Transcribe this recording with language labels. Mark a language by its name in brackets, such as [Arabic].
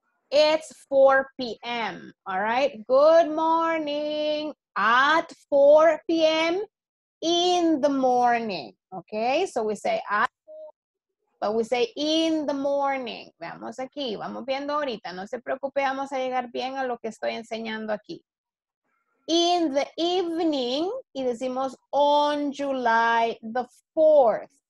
[English] It's 4 p.m., all right, good morning, at 4 p.m. in the morning, okay, so we say at. But we say in the morning. [Spanish] Veamos aquí, vamos viendo ahorita. No se preocupe, vamos a llegar bien a lo que estoy enseñando aquí. [English] In the evening, [Spanish] y decimos [English] on July the 4th.